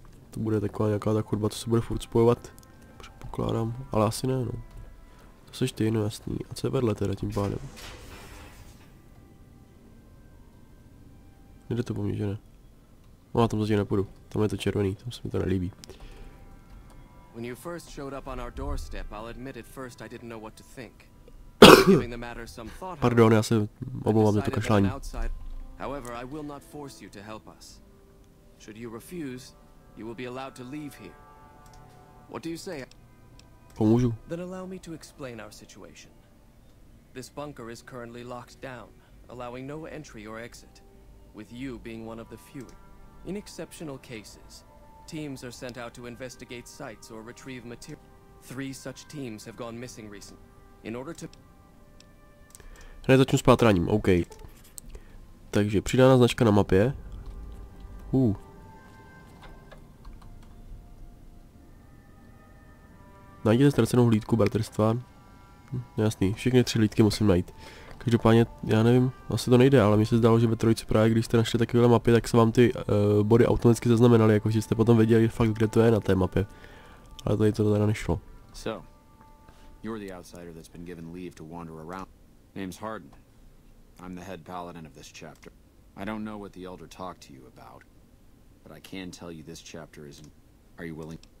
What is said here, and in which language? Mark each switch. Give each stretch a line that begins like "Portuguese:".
Czech: To bude taková nějaká ta chodba, co se bude furt spojovat. Předpokládám, ale asi ne, no. To seš ty, no jasný. A co je vedle teda tím pádem? Nejde to po mně, že ne? No a tam zatím nepůjdu. Tam je to červený, tam se mi to nelíbí.
English: When you first showed up on our doorstep, I'll admit at first I didn't know what to think. Giving the matter some thought.
Czech: Pardon, já se omlouvám za to kašlání.
English: However, I will not force you to help us. Should you refuse, you will be allowed to leave here. What do you say?
Czech: Pomůžu.
English: Then allow me to explain our situation. This bunker is currently locked down, allowing no entry or exit, with you being one of the few. In exceptional cases, teams are sent out to investigate sites or retrieve material. Three such teams have gone missing recently. In order to...
Czech: Hned začnu s pátráním, OK. Takže přidána značka na mapě. Najděte ztracenou hlídku bratrstva. Jasný, všechny tři hlídky musím najít. Každopádně, já nevím, asi to nejde, ale mi se zdálo, že ve trojici právě, když jste našli takovéhle mapy, tak se vám ty body automaticky zaznamenaly, jakože jste potom věděli fakt, kde to je na té mapě. Ale tady to teda nešlo.
English: So, you're the outsider that's been given leave to wander around. Name's Harden. I'm the head paladin of this chapter. I don't know what the Elder talked to you about, but I can tell you this chapter isn't... Are you willing?